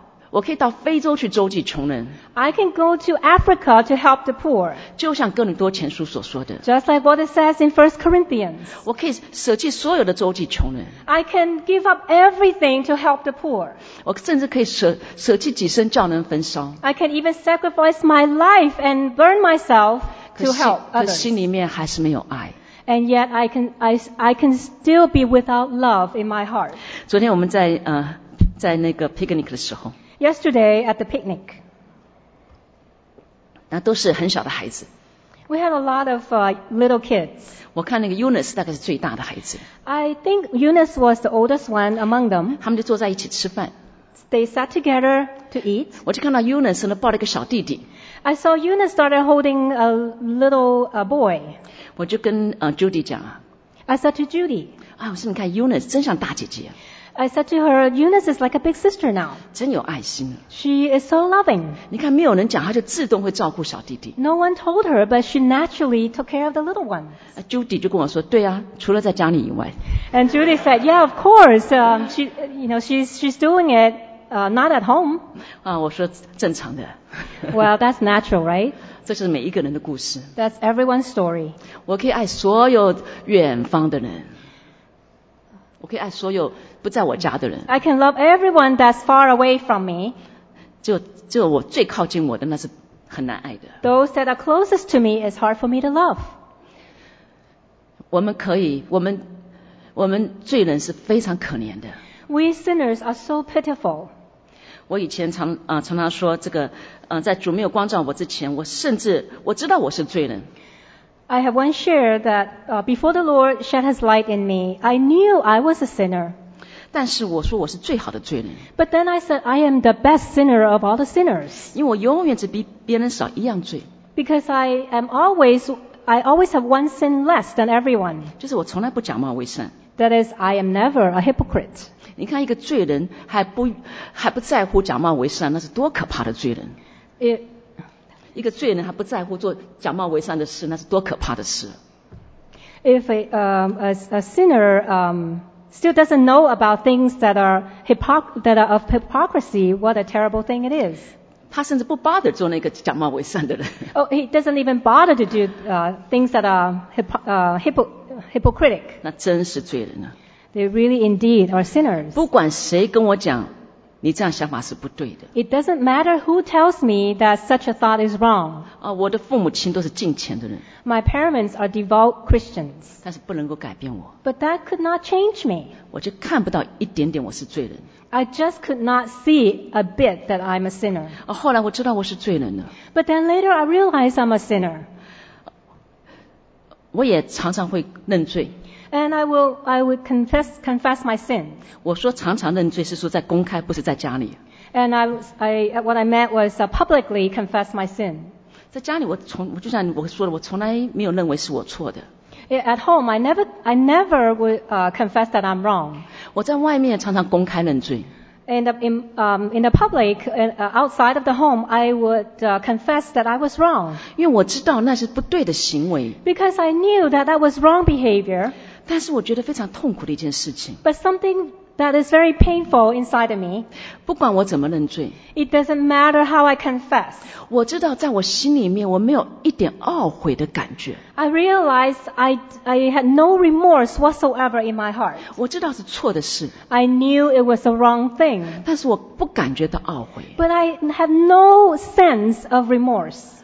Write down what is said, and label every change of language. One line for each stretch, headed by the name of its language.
Chinese: 我可以到非洲去周济穷人。
English: I can go to Africa to help the poor.
Chinese: 就像哥林多前书所说的。
English: Just like what it says in 1 Corinthians.
Chinese: 我可以舍弃所有的周济穷人。
English: I can give up everything to help the poor.
Chinese: 我甚至可以舍弃己身叫人焚烧。
English: I can even sacrifice my life and burn myself to help others.
Chinese: 可心里面还是没有爱。
English: And yet I can still be without love in my heart.
Chinese: 昨天我们在在那个 picnic 的时候。
English: Yesterday at the picnic.
Chinese: 那都是很小的孩子。
English: We had a lot of little kids.
Chinese: 我看那个 Eunice 大概是最大的孩子。
English: I think Eunice was the oldest one among them.
Chinese: 他们就坐在一起吃饭。
English: They sat together to eat.
Chinese: 我就看到 Eunice 呢抱了一个小弟弟。
English: I saw Eunice started holding a little boy.
Chinese: 我就跟Judy 讲啊。
English: I said to Judy.
Chinese: 啊，我说你看 Eunice 真像大姐姐。
English: I said to her, Eunice is like a big sister now.
Chinese: 真有爱心。
English: She is so loving.
Chinese: 你看没有人讲她就自动会照顾小弟弟。
English: No one told her, but she naturally took care of the little ones.
Chinese: Judy 就跟我说对啊除了在家里以外。
English: And Judy said, yeah, of course. She's doing it, not at home.
Chinese: 啊我说正常的。
English: Well, that's natural, right?
Chinese: 这是每一个人的故事。
English: That's everyone's story.
Chinese: 我可以爱所有远方的人。我可以爱所有不在我家的人。
English: I can love everyone that's far away from me.
Chinese: 就我最靠近我的那是很难爱的。
English: Those that are closest to me is hard for me to love.
Chinese: 我们可以，我们罪人是非常可怜的。
English: We sinners are so pitiful.
Chinese: 我以前常常说这个，在主没有光照我之前，我知道我是罪人。
English: I have once shared that before the Lord shed his light in me, I knew I was a sinner.
Chinese: 但是我说我是最好的罪人。
English: But then I said, I am the best sinner of all the sinners.
Chinese: 因为我永远只比别人少一样罪。
English: Because I always have one sin less than everyone.
Chinese: 就是我从来不假冒伪善。
English: That is, I am never a hypocrite.
Chinese: 你看一个罪人还不在乎假冒伪善，那是多可怕的罪人。一个罪人还不在乎做假冒伪善的事，那是多可怕的事。
English: If a sinner still doesn't know about things that are of hypocrisy, what a terrible thing it is.
Chinese: 他甚至不
English: bother
Chinese: 做那个假冒伪善的人。
English: Oh, he doesn't even bother to do things that are hypocritic.
Chinese: 那真是罪人呢。
English: They really indeed are sinners.
Chinese: 不管谁跟我讲。你这样想法是不对的。
English: It doesn't matter who tells me that such a thought is wrong.
Chinese: 啊，我的父母亲都是敬虔的人。
English: My parents are devout Christians.
Chinese: 但是不能够改变我。
English: But that could not change me.
Chinese: 我就看不到一点点我是罪人。
English: I just could not see a bit that I'm a sinner.
Chinese: 啊，后来我知道我是罪人了。
English: But then later I realized I'm a sinner.
Chinese: 我也常常会认罪。
English: And I will confess my sin.
Chinese: 我说常常认罪是说在公开，不是在家里。
English: And what I meant was publicly confess my sin.
Chinese: 在家里我就像我说的，我从来没有认为是我错的。
English: At home, I never would confess that I'm wrong.
Chinese: 我在外面常常公开认罪。
English: And in the public, outside of the home, I would confess that I was wrong.
Chinese: 因为我知道那是不对的行为。
English: Because I knew that was wrong behavior.
Chinese: 但是我觉得非常痛苦的一件事情。
English: But something that is very painful inside of me.
Chinese: 不管我怎么认罪。
English: It doesn't matter how I confess.
Chinese: 我知道在我心里面我没有一点懊悔的感觉。
English: I realized I had no remorse whatsoever in my heart.
Chinese: 我知道是错的事。
English: I knew it was the wrong thing.
Chinese: 但是我不感觉到懊悔。
English: But I had no sense of remorse.